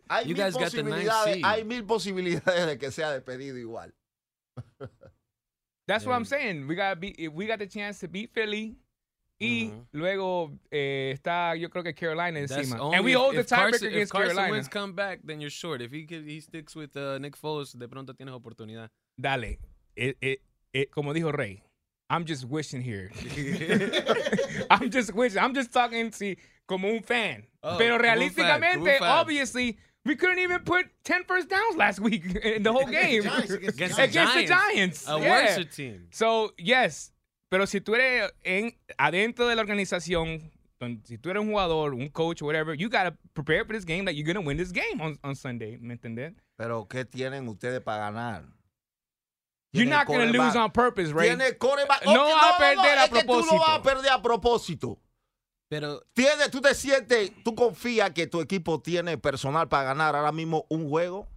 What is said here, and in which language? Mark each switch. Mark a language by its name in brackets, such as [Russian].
[Spanish] Hay mil posibilidades de que sea despedido igual. [English] That's what I'm saying. We got the chance to beat Philly. [Spanish] Y luego está, yo creo que Carolina encima. [English] And we hold the tiebreaker against Carolina. If Carson Wentz come back, then you're short. If he sticks with Nick Foles, [Spanish] de pronto tienes oportunidad. [English] Dale. [Spanish] Como dijo Rey, [English] I'm just wishing here. I'm just wishing. I'm just talking to [Spanish] como un fan. [English] Oh, [Spanish] pero realísticamente, [English] obviously, we couldn't even put 10 first downs last week in the whole game. Against the Giants. A worse team. So, yes. [Spanish] Pero si tú eres adentro de la organización, si tú eres un jugador, un coach, [English] whatever, you gotta prepare for this game that you're gonna win this game on Sunday. [Spanish] ¿Me entiendes? Pero ¿qué tienen ustedes para ganar? [English] You're not going to lose on purpose, Ray. [Spanish] Tiene coreback. No, no va a perder a propósito. Tú no vas a perder a propósito. Pero tiene, tú te sientes, tú confías que tu equipo tiene personal para ganar ahora mismo un juego.